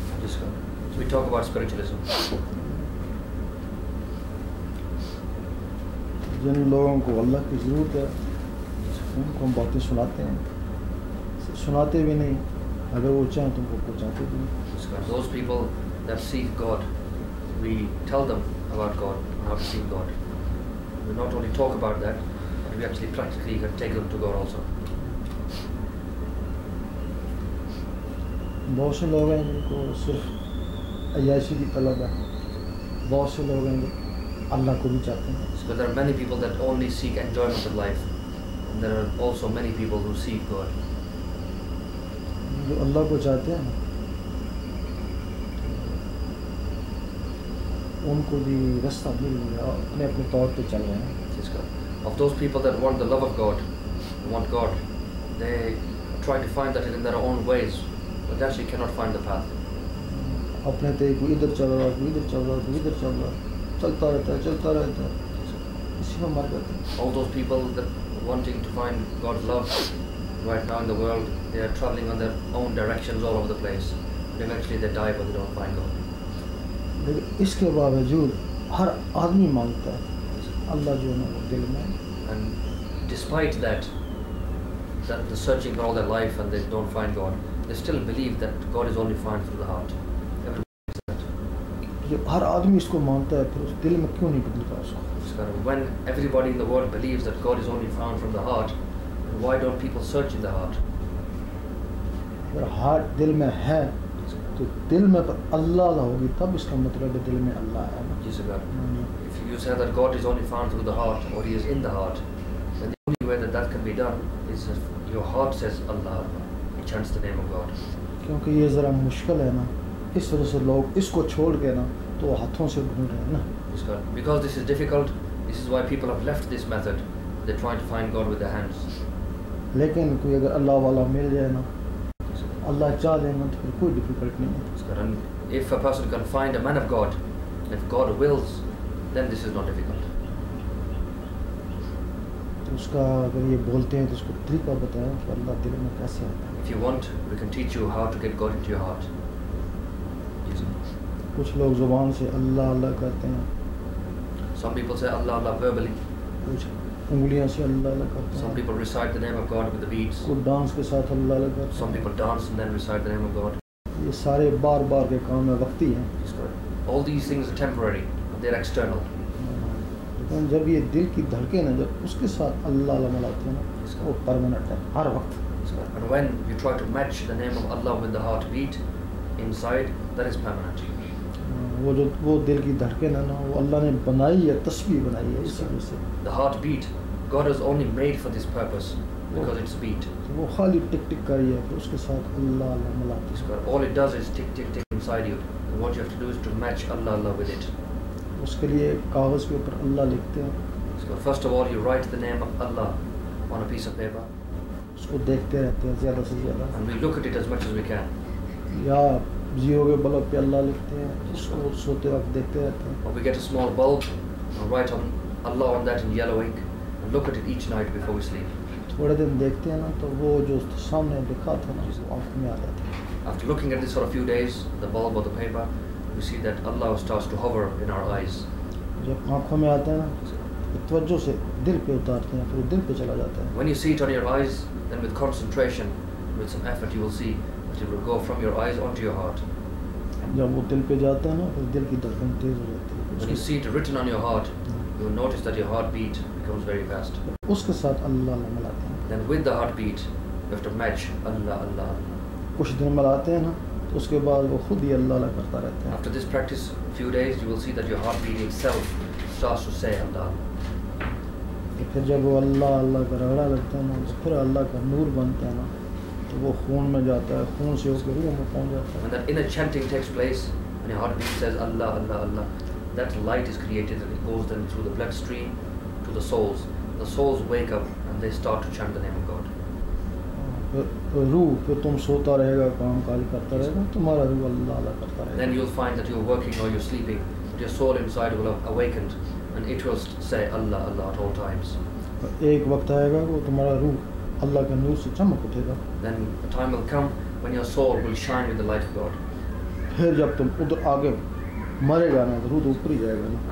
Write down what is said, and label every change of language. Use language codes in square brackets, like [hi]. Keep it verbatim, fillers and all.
[ur] جس کا [en] We talk about spiritualism. [ur] جن لوگوں کو اللہ کی ضرورت ہے ان کو ہم باتیں سناتے ہیں، سناتے بھی نہیں، اگر وہ چاہیں تو ان کو پہنچاتے بھی نہیں. [en] Those people that seek God, we tell them about God and how to seek God. We not only talk about that, but we actually practically can take them to God also. [ur] بہت سے لوگ ہیں جن کو صرف عیاشی کی طلب ہے، بہت سے لوگ ہیں جو اللہ کو بھی چاہتے ہیں. [en] So there are many people that only seek enjoyment of life, and there are also many people who seek God. [ur] جو اللہ کو چاہتے ہیں ان کو بھی رستہ مل گیا، اپنے اپنے طور پہ چل رہے ہیں. [en] This is God. Of those people that want the love of God, want God, they try to find that in their own ways, but actually cannot find the path. [ur] اپنے تے کوئی ادھر چل رہا ہے، کوئی ادھر چل رہا ہے، کوئی ادھر چل رہا ہے، چلتا رہتا ہے چلتا رہتا ہے، اسی میں مر جاتے ہیں. [en] All those people that wanting to find God's love right now in the world, they are traveling on their own directions all over the place. Eventually they die but they don't find God. [ur] لیکن اس کے باوجود ہر آدمی مانگتا ہے، اللہ جو ہے نا وہ دل میں. [en] And despite that, that they're searching for all their life and they don't find God, they still believe that God is only found through the heart. Everyone believes that. [ur] جب ہر آدمی اس کو مانتا ہے پھر اس دل میں کیوں نہیں بدلتا اس کو؟ [en] It's kind of when everybody in the world believes that God is only found from the heart, then why don't people search in the heart? [ur] اگر ہارٹ دل میں ہے تو دل میں پر اللہ اللہ ہوگی، تب اس کا مطلب ہے دل میں اللہ ہے نا. [en] Yes, God. If you say that God is only found through the heart or He is in the heart, then the only way that that can be done is if your heart says Allah, it chants the name of God. [ur] کیونکہ یہ ذرا مشکل ہے نا، اس وجہ سے لوگ اس کو چھوڑ کے نا تو وہ ہاتھوں سے ڈھونڈ رہے ہیں نا. [en] Yes, God. Because this is difficult, this is why people have left this method. They're trying to find God with their hands. [ur] لیکن کوئی اگر اللہ والا مل جائے نا، اللہ چاہ لیں گے تو پھر کوئی ڈفیکلٹ نہیں ہے. [en] Yes, God. And if a person can find a man of God, if God wills, then this is not difficult. [ur] تو اس کا اگر یہ بولتے ہیں تو اس کو طریقہ بتائیں کہ اللہ دل میں کیسے آتا ہے. [en] If you want, we can teach you how to get God into your heart. Yes. [ur] کچھ لوگ زبان سے اللہ اللہ کرتے ہیں، [en] Some people say Allah Allah verbally. [ur] کچھ انگلیاں سے اللہ اللہ کرتے [en] Some [ur] ہیں، [en] people recite the name of God with the beads. [ur] کچھ ڈانس کے ساتھ اللہ اللہ کرتے [en] Some people dance and then recite the name of God. [ur] ہیں. یہ سارے بار بار کے کام ہیں، وقتی ہیں، [en] Yes, God. All these things are temporary. They're external. [ur] لیکن جب یہ دل کی دھڑکن ہے جب اس کے ساتھ اللہ اللہ ملاتے ہیں نا، [en] Yes, [ur] وہ [en] God. [ur] پرماننٹ ہے ہر وقت. [en] Yes, God. And when you try to match the name of Allah with the heartbeat inside, that is permanent. [ur] وہ جو وہ دل کی دھڑکن ہے نا وہ اللہ نے بنائی ہے، تسبیح بنائی ہے اس وجہ سے، [en] The heartbeat, God is only made for this purpose because it's beat. [ur] تو وہ خالی ٹک ٹک کری ہے، پھر اس کے ساتھ اللہ اللہ ملاتے [en] Yes, God. All it does is tick, tick, tick inside you. And what you have to do is to match Allah, Allah with it. [ur] ہیں. اس کے لیے کاغذ کے اوپر اللہ لکھتے ہیں، [en] Yes, God. First of all, you write the name of Allah on a piece of paper, [ur] اس کو دیکھتے رہتے ہیں زیادہ سے زیادہ، [en] and we look at it as much as we can. [ur] یا زیرو کے بلب پہ اللہ لکھتے ہیں، اس کو سوتے وقت دیکھتے رہتے ہیں. [en] Or we get a small bulb and write on Allah on that in yellow ink and look at it each night before we sleep. [ur] تھوڑے دن دیکھتے ہیں نا تو وہ جو اس کے سامنے لکھا تھا نا وہ آنکھ میں آ جاتا ہے. [en] After looking at this for a few days, the bulb or the paper, we see that Allah starts to hover in our eyes. [ur] جب آنکھوں میں آتا ہے نا تو توجہ سے دل پہ اتارتے ہیں، پھر وہ دل پہ چلا جاتا ہے. [en] When you see it on your eyes, then with concentration, with some effort, you will see that it will go from your eyes onto your heart. [ur] جب وہ دل پہ جاتا ہے نا پھر دل کی دھڑکن تیز ہو جاتی ہے. [en] When you see it written on your heart, you will notice that your heartbeat becomes very fast. [ur] اس کے ساتھ اللہ اللہ ملاتے ہیں. [en] Then with the heartbeat, you have to match Allah, Allah, Allah. [ur] کچھ دن ملاتے ہیں نا تو اس کے بعد وہ خود ہی اللہ اللہ کرتا رہتا ہے. [en] After this practice, few days, you will see that your heartbeat itself starts to say Allah. [ur] پھر جب وہ اللہ اللہ کا رگڑا لگتا ہے نا اس- پھر اللہ کا نور بنتا ہے نا تو وہ خون میں جاتا ہے، خون سے ہو کے روح میں پہنچ جاتا ہے. [en] When that inner chanting takes place, and your heartbeat says Allah, Allah, Allah, that light is created and it goes then through the bloodstream to the souls. The souls wake up and they start to chant the name of God. [ur] پھر روح، پھر تم سوتا رہے گا، کام کاج کرتا رہے گا، تمہارا روح اللہ اللہ کرتا رہے [en] Then you'll find that you're working or you're sleeping, but your soul inside will have awakened and it will st- say Allah, Allah at all times. [ur] گا. ایک وقت آئے گا وہ تمہارا روح اللہ کے نور سے چمک اٹھے گا. [en] Then a time will come when your soul will shine with the light of God. [ur] پھر جب تم ادھر آگے مرے گا نا تو روح تو اوپر ہی جائے گا نا،